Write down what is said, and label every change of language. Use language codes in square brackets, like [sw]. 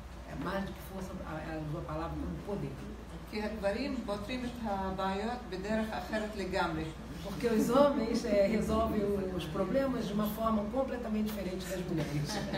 [pt] É mais do que força, ela usa a palavra como poder. [he] כי הגברים פותרים את הבעיות בדרך אחרת לגמרי. [pt] Porque os homens resolvem os problemas de uma forma completamente diferente das mulheres.